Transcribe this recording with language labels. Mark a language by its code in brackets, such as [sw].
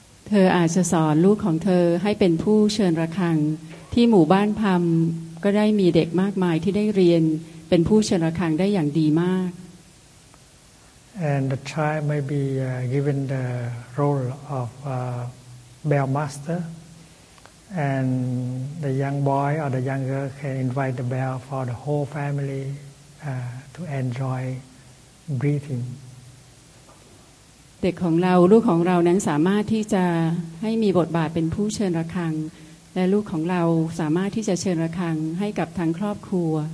[th] ธออาจจะสอนลูกของเธอให้เป็นผู้เชิญระฆังที่หมู่บ้านพัมก็ได้มีเด็กมากมายที่ได้เรียนเป็นผู้เชิญระฆังได้อย่างดีมาก [en] And the child may be given the role of bell master and the young boy or the young girl can invite the bell for the whole family to enjoy breathing [th] เด็กของเราลูกของเรานั้นสามารถที่จะให้มีบทบาทเป็นผู้เชิญระฆังและลูกของเราสามารถที่จะเชิญระฆังให้กับทั้งครอบครัว